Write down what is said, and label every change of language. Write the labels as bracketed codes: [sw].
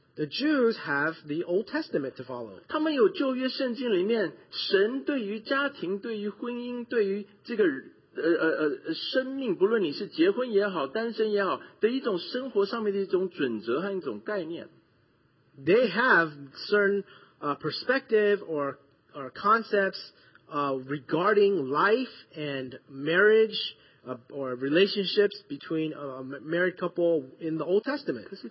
[en] the Jews have the Old Testament to follow. [zh] 他们有旧约圣经里面神对于家庭、对于婚姻、对于这个生命，不论你是结婚也好、单身也好的一种生活上面的一种准则和一种概念。 [en] They have certain perspective or concepts regarding life and marriage or relationships between a married couple in the Old Testament.